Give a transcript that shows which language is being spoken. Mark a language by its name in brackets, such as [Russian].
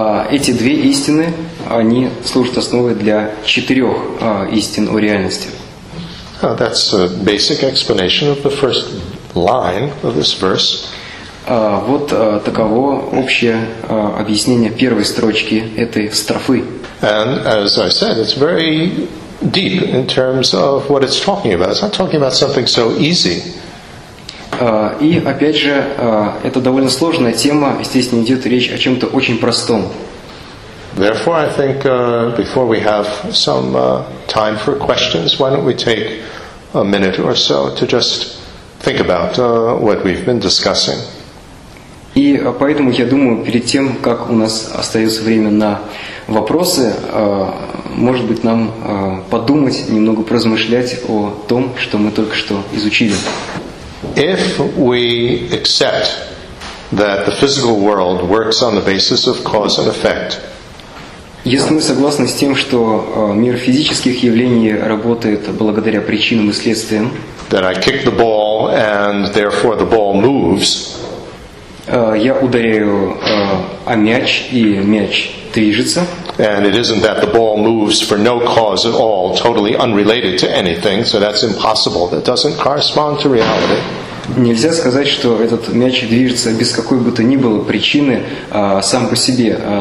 [Russian] Эти две истины, они служат основой для четырех истин о реальности. [English] Oh, that's a basic explanation of the first line of this verse. [Russian] Вот таково общее объяснение первой строчки этой строфы. [English] And as I said, it's very deep in terms of what it's talking about. It's not talking about something so easy. [Russian] И опять же, это довольно сложная тема. Естественно, идет речь о чем-то очень простом. [English] Therefore, I think before we have some time for questions, why don't we take a minute or so to just think about what we've been discussing. [Russian] И поэтому я думаю, перед тем, как у нас остается время на вопросы, может быть, нам подумать, немного поразмышлять о том, что мы только что изучили. [English] If we accept that the physical world works on the basis of cause and effect. [Russian] Если мы согласны с тем, что мир физических явлений работает благодаря причинам и следствиям, [English] that I kick the ball and therefore the ball moves. [Russian] Я ударяю о мяч, и мяч движется. [English] And it isn't that the ball moves for no cause at all, totally unrelated to anything, so that's impossible. That doesn't correspond to reality. [Russian] Нельзя сказать, что этот мяч движется без какой бы то ни было причины, сам по себе.